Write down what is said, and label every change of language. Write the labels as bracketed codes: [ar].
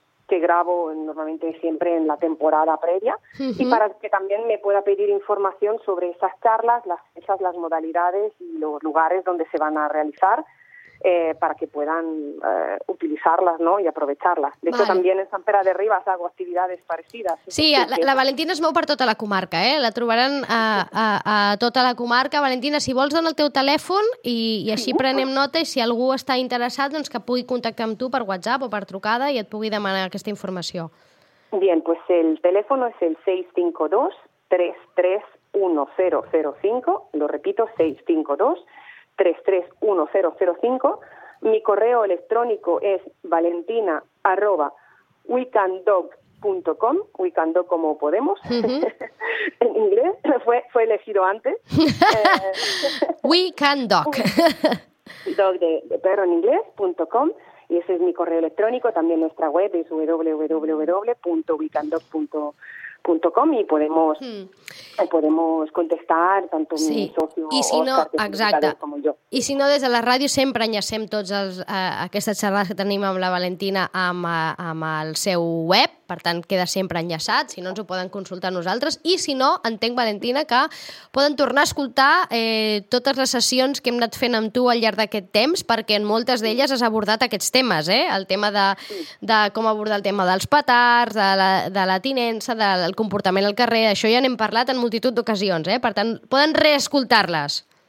[es] grabo normalmente siempre en la temporada previa, y para que también me pueda pedir información sobre esas charlas, las modalidades y los lugares donde se van a realizar, para que puedan utilizarlas, ¿no?, y aprovecharlas. De hecho, también en Sant Pere de Ribes hago actividades parecidas. [ca] Sí, la Valentina es mou per tota la comarca, ¿eh? La trobaran a tota la comarca. Valentina, si vols, dona el teu telèfon i així prenem nota, i si algú està interessat, doncs que pugui contactar amb tu per WhatsApp o per trucada i et pugui demanar aquesta informació. [es] Bien, pues el teléfono es el 652-331005. Lo repito, 652-331005. Mi correo electrónico es valentina@wecandog.com, wecandog como podemos, en inglés, fue elegido antes. Wecandog. Dog de perro en inglés, .com, y ese es mi correo electrónico. También nuestra web es www.wecandog.com, y podemos contestar tanto mi socio, si no, [ca] Oscar, com jo. I si no, des de la ràdio sempre enllacem tots aquestes xerrades que tenim amb la Valentina amb el seu web, per tant queda sempre enllaçat, si no ens ho poden consultar nosaltres, i si no, entenc, Valentina, que poden tornar a escoltar totes les sessions que hem anat fent amb tu al llarg d'aquest temps, perquè en moltes d'elles has abordat aquests temes, el tema de com abordar el tema dels petards, de la tinença, del comportament al carrer, això ja n'hem parlat en multitud d'ocasions, per tant poden reescoltar-les.